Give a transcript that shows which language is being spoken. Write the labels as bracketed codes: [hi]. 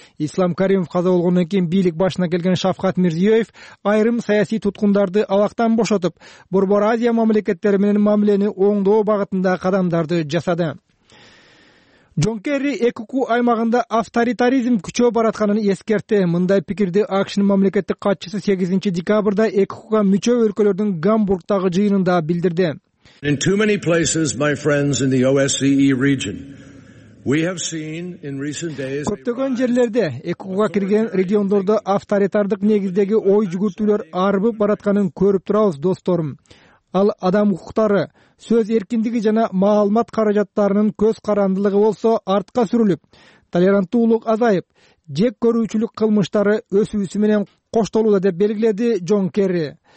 [ky] Ислам Каримов каза болгондон кийин бийлик башына келген Шавкат Мирзиёев айрым саясий туткундарды абактан бошотуп, Борбор Азия мамлекеттери менен мамилени оңдоо багытында кадамдарды жасады. Джон Керри ЭККУ аймагында авторитаризм күчөп баратканын эскертти. Мындай пикирди АКШнын мамлекеттик катчысы 8 декабрда ЭККУга мүчө өлкөлөрдүн Гамбургтагы жыйынында билдирди. [en] In too many places, my friends, in the OSCE region, we have seen in recent days... [ky] Көптөгөн жерлерде ЭККУ-га кирген региондордо авторитардык негиздеги ой жүгүртүүлөр арбып баратканын көрүп турабыз, досторум. Ал адам укуктары, сөз эркиндиги жана маалымат каражаттарынын көз карандылыгы болсо артка сүрүлүп, толеранттуулук азайып, жек көрүүчүлүк кылмыштары өсүүсү менен коштолууда деп белгиледи Джон Керри.